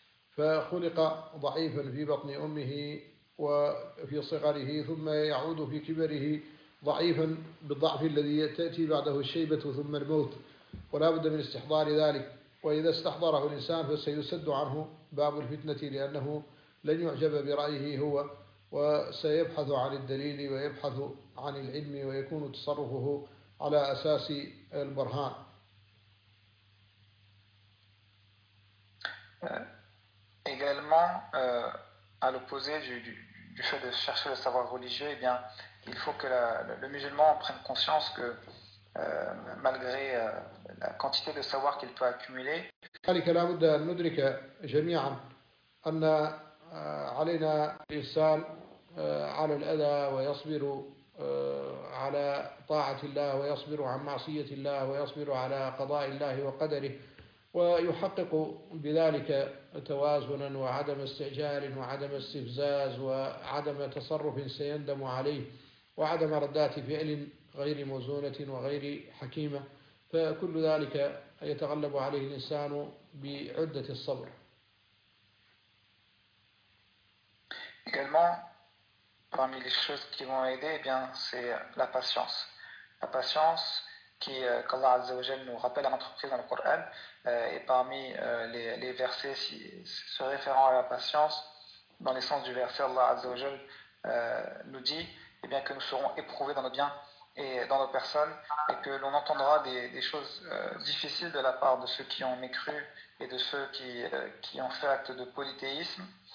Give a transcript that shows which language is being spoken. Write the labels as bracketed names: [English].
[Arabic] فخلق ضعيفا في بطن أمه وفي صغره، ثم يعود في كبره ضعيفا بالضعف الذي تأتي بعده الشيبة ثم الموت، ولا بد من استحضار ذلك، وإذا استحضره الإنسان فسيسد عنه باب الفتنة، لأنه لن يعجب برأيه هو، وسيبحث عن الدليل ويبحث عن العلم ويكون تصرفه على أساس البرهان. [French] Également, à l'opposé du fait de chercher le savoir religieux, eh bien, il faut que le musulman prenne conscience que malgré la quantité de savoir qu'il peut accumuler, [Arabic] ذلك لا بد أن ندرك جميعا أن علينا الإنسان على الأذى ويصبر على طاعة الله ويصبر عن معصية الله ويصبر على قضاء الله وقدره، ويحقق بذلك توازنا وعدم استعجال وعدم استفزاز وعدم تصرف سيندم عليه وعدم ردات فعل غير موزونة وغير حكيمة، فكل ذلك يتغلب عليه الإنسان بعدة الصبر. [French] Également, parmi les choses qui vont aider, eh bien, c'est la patience. La patience qu'Allah Azza wa Jal nous rappelle à l'entreprise dans le Coran, et parmi les versets si, se référant à la patience, dans le sens du verset, Allah Azza wa Jal nous dit eh bien, que nous serons éprouvés dans nos biens et dans nos personnes, et que l'on entendra des choses difficiles de la part de ceux qui ont mécru et de ceux qui ont fait acte de polythéisme.